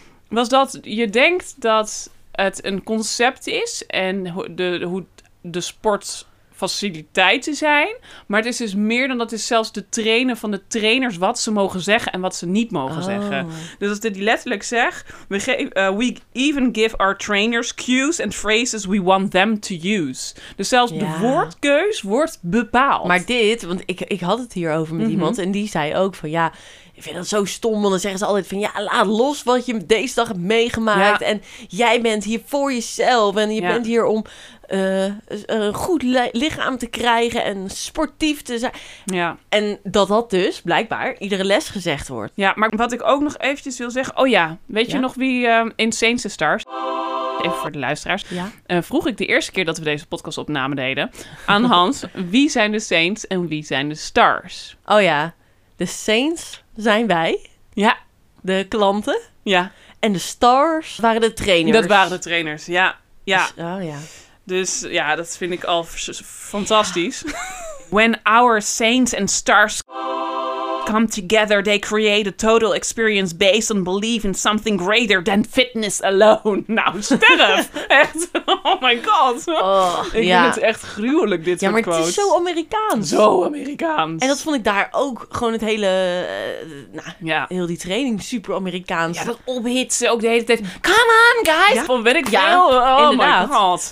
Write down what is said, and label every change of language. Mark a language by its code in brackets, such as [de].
[nl] was dat je denkt dat het een concept is... en hoe de sportfaciliteiten zijn. Maar het is dus meer dan dat het is zelfs de trainer van de trainers... wat ze mogen zeggen en wat ze niet mogen zeggen. Dus als ik die letterlijk zeg... [en] We even give our trainers cues and phrases we want them to use. [nl] Dus zelfs de woordkeus wordt bepaald. Maar dit, want ik had het hier over met iemand... en die zei ook van ja... Ik vind dat zo stom, want dan zeggen ze altijd van... ja, laat los wat je deze dag hebt meegemaakt. Ja. En jij bent hier voor jezelf. En je bent hier om een goed lichaam te krijgen en sportief te zijn. Ja. En dat dus blijkbaar iedere les gezegd wordt. Ja, maar wat ik ook nog eventjes wil zeggen... Oh ja, weet je nog wie in Saints and Stars... Even voor de luisteraars. Ja. Vroeg ik de eerste keer dat we deze podcast opname deden... aan Hans, wie zijn de Saints en wie zijn de Stars? Oh ja, de Saints... Zijn wij? Ja. De klanten? Ja. En de Stars waren de trainers? Dat waren de trainers, ja. Ja. Dus, oh ja. Dus ja, dat vind ik al fantastisch. Ja. [en] When our Saints and Stars come together, they create a total experience based on belief in something greater than fitness alone. [nl] Nou, sterf! Echt, [en] oh my god. Oh, [nl] ik vind het echt gruwelijk, dit soort quotes. Ja, maar het is zo Amerikaans. Zo Amerikaans. En dat vond ik daar ook gewoon het hele, heel die training super Amerikaans. Ja, dat ophitsen ook de hele tijd. [en] Come on, guys! [nl] Ja. Van ben ik [en] my god.